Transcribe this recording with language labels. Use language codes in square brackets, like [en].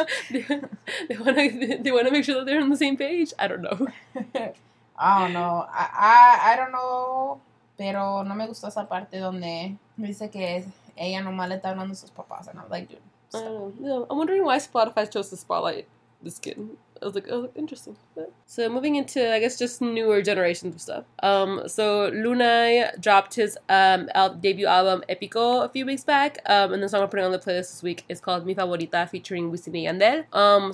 [en] they want to make sure that they're on the same page. I don't know. I don't know. I don't know. [es] Pero no me gustó esa parte donde dice que ella nomás le está hablando a sus papás. [en] And I was like, dude. I'm wondering why Spotify chose to spotlight this kid. I was like, interesting. So moving into, I guess, just newer generations of stuff. So Lunay dropped his debut album, Epico, a few weeks back. And the song I'm putting on the playlist this week is called Mi Favorita, featuring Wisin y Yandel.